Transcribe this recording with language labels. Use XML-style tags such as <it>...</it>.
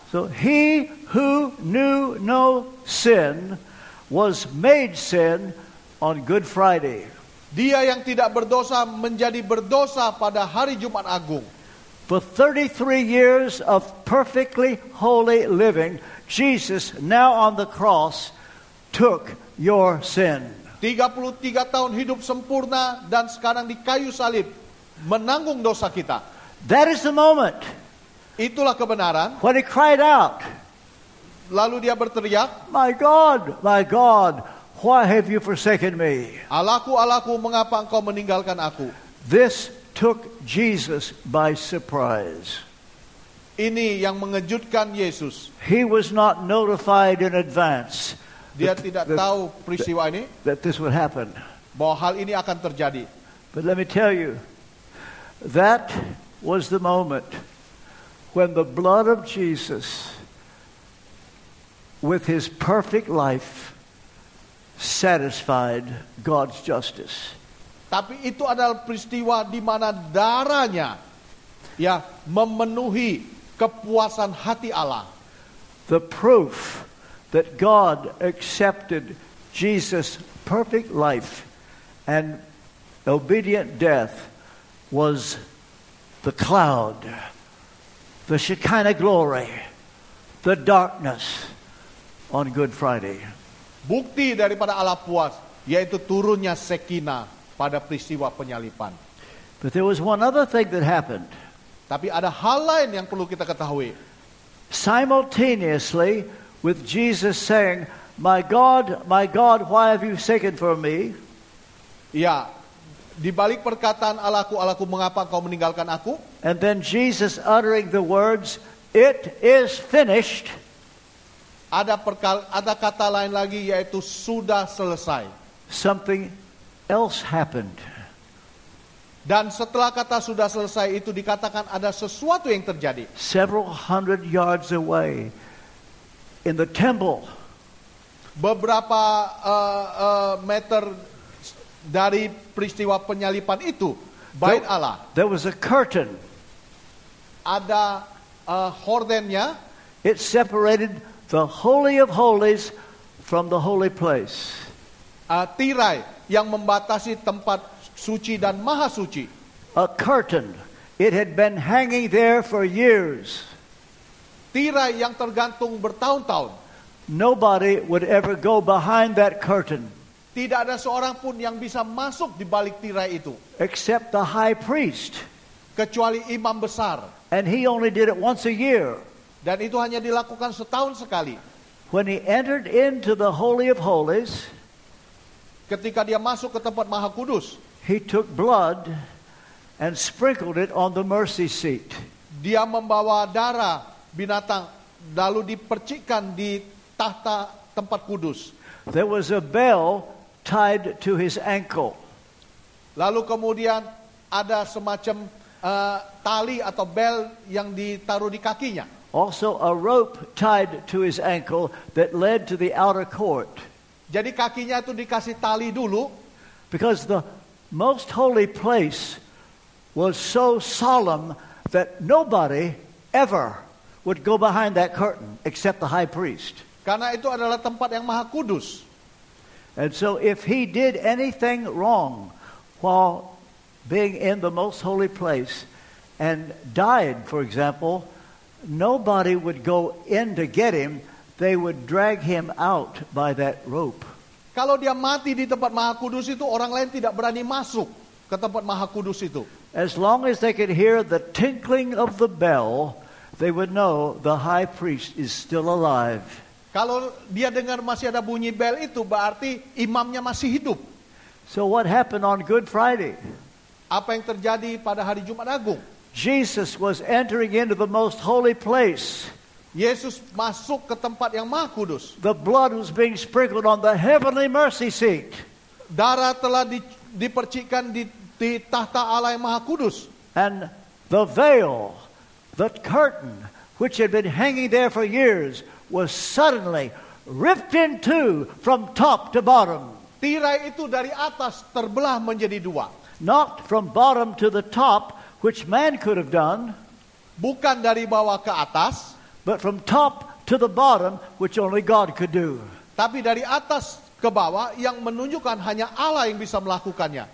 <en>So he who knew no sin was made sin on Good Friday.</en> <id>Dia yang tidak berdosa menjadi berdosa pada hari Jumat Agung.</id> <en>For 33 years of perfectly holy living, Jesus now on the cross took your sin.</en> <id>33 tahun hidup sempurna dan sekarang di kayu salib menanggung dosa kita.</id> <en>That is the moment.</en> <id>Itulah kebenaran.</id> <en>When he cried out.</en> <id>Lalu dia berteriak.</id> <en>My God, why have you forsaken me?</en> <id>Allahku, Allahku, mengapa engkau meninggalkan aku?</id> <en>This took Jesus by surprise.</en> <id>Ini yang mengejutkan Yesus.</id> <en>He was not notified in advance.</en> <id>Dia tidak tahu peristiwa ini.</id> <en>That this would happen.</en> <id>Bahwa hal ini akan terjadi.</id> <en>But let me tell you, that was the moment when the blood of Jesus with his perfect life satisfied God's justice.</en> <id>Tapi itu adalah peristiwa di mana darahnya ya memenuhi kepuasan hati Allah.</id> <en>The proof that God accepted Jesus' perfect life and obedient death was the cloud, the Shekinah glory, the darkness on Good Friday.</en> <id>Bukti daripada Allah puas, yaitu turunnya Shekinah pada peristiwa penyalipan.</id> <en>But there was one other thing that happened.</en> <id>Tapi ada hal lain yang perlu kita ketahui.</id> <en>Simultaneously with Jesus saying, my God, why have you forsaken for me?</en> <id>Ya. Di balik perkataan Allahku, Allahku, mengapa engkau meninggalkan aku?</id> <en>And then Jesus uttering the words, it is finished.</en> <id>ada kata lain lagi, yaitu sudah selesai.</id> <en>Something else happened.</en> <id>Dan setelah kata sudah selesai itu dikatakan ada sesuatu yang terjadi.</id> <en>Several hundred yards away in the temple.</en> <id>Beberapa meter dari peristiwa penyalipan itu, Bait Allah.</id> <en>There was a curtain.</en> <id>Ada hordennya.</id> <en>It separated the Holy of Holies from the holy place.</en> <id>Tirai yang membatasi tempat suci dan maha suci.</id> <en>A curtain. It had been hanging there for years.</en> <id>Tirai yang tergantung bertahun-tahun.</id> <en>Nobody would ever go behind that curtain.</en> <id>Tidak ada seorang pun yang bisa masuk di balik tirai itu.</id> <en>Except the high priest.</en> <id>Kecuali imam besar.</id> <en>And he only did it once a year.</en> <id>Dan itu hanya dilakukan setahun sekali.</id> <en>When he entered into the Holy of Holies.</en> <id>Ketika dia masuk ke tempat maha kudus.</id> <en>He took blood and sprinkled it on the mercy seat.</en> <id>Dia membawa darah binatang lalu dipercikkan di tahta tempat kudus.</id> <en>There was a bell tied to his ankle.</en> <id>Lalu kemudian ada semacam tali atau bel yang ditaruh di kakinya.</id> <en>Also a rope tied to his ankle that led to the outer court.</en> <id>Jadi kakinya itu dikasih tali dulu.</id> <en>Because the most holy place was so solemn that nobody ever would go behind that curtain except the high priest.</en> <id>Karena itu adalah tempat yang maha kudus.</id> <en>And so if he did anything wrong while being in the most holy place and died, for example, nobody would go in to get him. They would drag him out by that rope.</en> <id>Kalau dia mati di tempat maha kudus itu, orang lain tidak berani masuk ke tempat maha kudus itu.</id> <en>As long as they could hear the tinkling of the bell, they would know the high priest is still alive.</en> <id>Kalau dia dengar masih ada bunyi bel itu, berarti imamnya masih hidup.</id> <en>So what happened on Good Friday?</en> <id>Apa yang terjadi pada hari Jumat Agung?</id> <en>Jesus was entering into the most holy place.</en> <id>Yesus masuk ke tempat yang maha kudus.</id> <en>The blood was being sprinkled on the heavenly mercy seat.</en> <id>Darah telah dipercikkan di tahta Allah yang maha kudus.</id> <en>And the veil, the curtain, which had been hanging there for years, was suddenly ripped in two from top to bottom.</en> <id>Tirai itu dari atas terbelah menjadi dua.</id> <en>Not from bottom to the top, which man could have done.</en> <id>Bukan dari bawah ke atas.</id> <en>But from top to the bottom, which only God could do.</en> <id>Tapi dari atas ke bawah yang menunjukkan hanya Allah yang bisa melakukannya.</id>